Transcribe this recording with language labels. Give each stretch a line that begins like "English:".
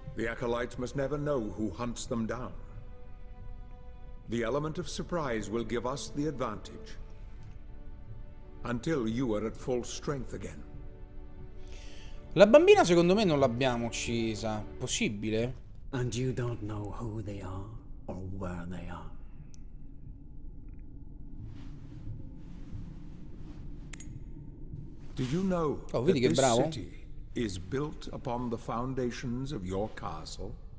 English: The acolytes must never know who hunts them down. The element of surprise will give us the advantage. Until you are at full strength again.
Italian: La bambina, secondo me, non l'abbiamo uccisa. Possibile?
English: And you don't know who they are or where they are. Did you know
Italian: vedi che bravo?
English: This city is built upon the foundations of your castle?